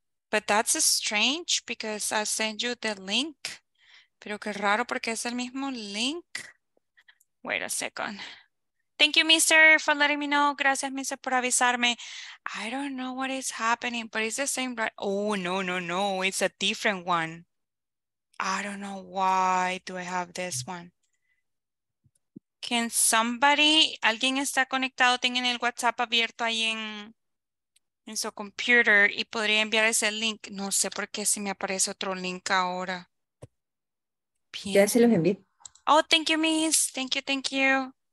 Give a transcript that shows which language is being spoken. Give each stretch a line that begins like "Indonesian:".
English: But that's strange because I sent you the link.
Spanish: Pero qué raro porque es el mismo link.
English: Wait a second. Thank you, Mr. for letting me know.
Spanish: Gracias, Mr. por avisarme.
English: I don't know what is happening, but it's the same, right? Oh, no, no, no. It's a different one. I don't know why do I have this one. Can somebody,
Spanish: alguien está conectado, tienen el WhatsApp abierto ahí en su computer y podría enviar ese link. No sé por qué si me aparece otro link ahora. Bien. Ya se los envié.
English: Oh, thank you, Miss. Thank you, thank you.